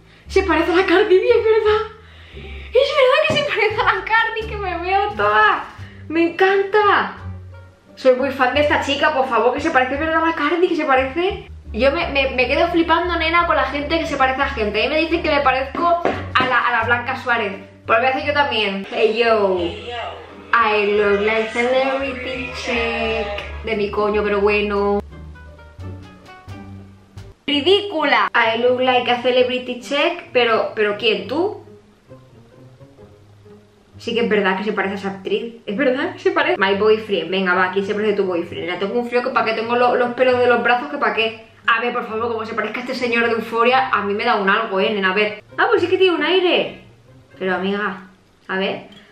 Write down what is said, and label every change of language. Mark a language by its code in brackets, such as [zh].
[es] Se parece a la Cardi B, es verdad. Es verdad que se parece a la Cardi, que me veo toda. ¡Me encanta! Soy muy fan de esta chica, por favor, que se parece verdad a la Cardi, que se parece. Yo me quedo flipando, nena, con la gente que se parece a gente. Y me dicen que me parezco a la Blanca Suárez. Pues voy a hacer yo también. [en] Hey yo. I look like celebrity check. [es] De mi coño, pero bueno. Ridícula. [en] I look like a celebrity check. [es] Pero ¿quién? ¿Tú? Sí que es verdad que se parece a esa actriz. Es verdad que se parece. [en] My boyfriend. [es] Venga, va, aquí se parece tu boyfriend. Ya tengo un frío que para qué tengo los pelos de los brazos que para qué. A ver, por favor, como se parezca a este señor de Euforia, a mí me da un algo, nena. A ver. Ah, pues sí que tiene un aire. Pero amiga, a ver.